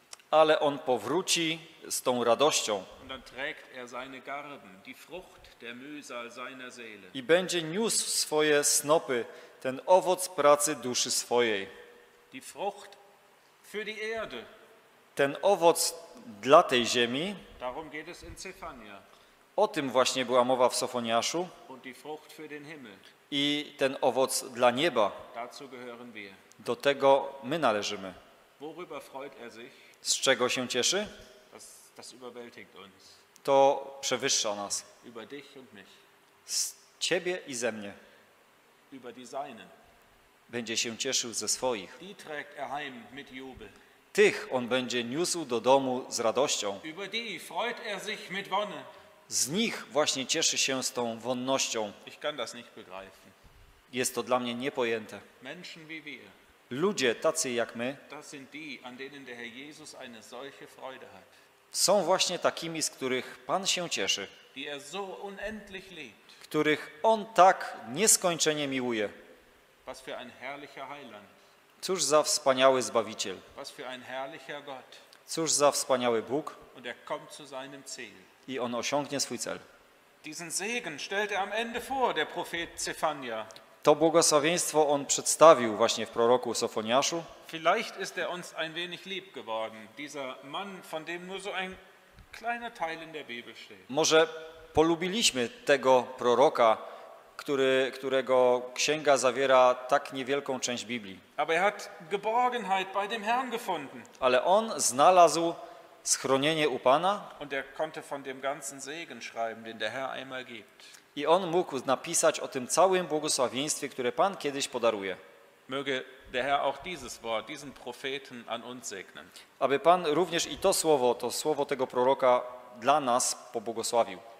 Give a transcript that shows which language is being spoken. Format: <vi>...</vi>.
<pl>Ale on powróci z tą radością.</pl> <de>Und dann trägt er seine Garben, die Frucht der Mühsal seiner Seele.</de> <pl>I będzie niósł swoje snopy, ten owoc pracy duszy swojej.</pl> <de>Die Frucht für die Erde.</de> <pl>Ten owoc dla tej ziemi.</pl> <de>Darum geht es in Zephania.</de> <pl>O tym właśnie była mowa w Sofoniaszu.</pl> <de>Und die Frucht für den Himmel.</de> <pl>I ten owoc dla nieba.</pl> <de>Dazu gehören wir.</de> <pl>Do tego my należymy.</pl> <de>Worüber freut er sich?</de> <pl>Z czego się cieszy?</pl> <de>Das überwältigt uns.</de> <pl>To przewyższa nas.</pl> <de>Über dich und mich.</de> <pl>Z ciebie i ze mnie.</pl> <de>Über die Seinen.</de> <pl>Będzie się cieszył ze swoich.</pl> <de>Die trägt er heim mit Jubel.</de> <pl>Tych on będzie niósł do domu z radością.</pl> <de>Über die freut er sich mit Wonne.</de> <pl>Z nich właśnie cieszy się z tą wonnością.</pl> <de>Ich kann das nicht begreifen.</de> <pl>Jest to dla mnie niepojęte.</pl> <de>Menschen wie wir.</de> <pl>Ludzie tacy jak my.</pl> <de>Das sind die, an denen der Herr Jesus eine solche Freude hat.</de> <pl>Są właśnie takimi, z których Pan się cieszy.</pl> <de>Die er so unendlich liebt.</de> <pl>Których on tak nieskończenie miłuje.</pl> <de>Was für ein herrlicher Heiland.</de> <pl>Cóż za wspaniały Zbawiciel.</pl> <de>Was für ein herrlicher Gott.</de> <pl>Cóż za wspaniały Bóg.</pl> <de>Und er kommt zu seinem Ziel.</de> <pl>I on osiągnie swój cel.</pl> <de>Diesen Segen stellt am Ende vor, der Prophet Zephania.</de> <pl>To błogosławieństwo on przedstawił właśnie w proroku Sofoniaszu.</pl> <de>Vielleicht ist er uns ein wenig lieb geworden, dieser Mann, von dem nur so ein kleiner Teil in der Bibel steht.</de> <pl>Może polubiliśmy tego proroka, którego księga zawiera tak niewielką część Biblii.</pl> <de>Aber er hat Geborgenheit bei dem Herrn gefunden.</de> <pl>Ale on znalazł schronienie u Pana.</pl> <de>Und er konnte von dem ganzen Segen schreiben, den der Herr einmal gibt.</de> <pl>I on mógł napisać o tym całym błogosławieństwie, które Pan kiedyś podaruje.</pl> <de>Möge der Herr auch dieses Wort, diesen Propheten an uns segnen.</de> <pl>Aby Pan również i to słowo tego proroka dla nas pobłogosławił.</pl>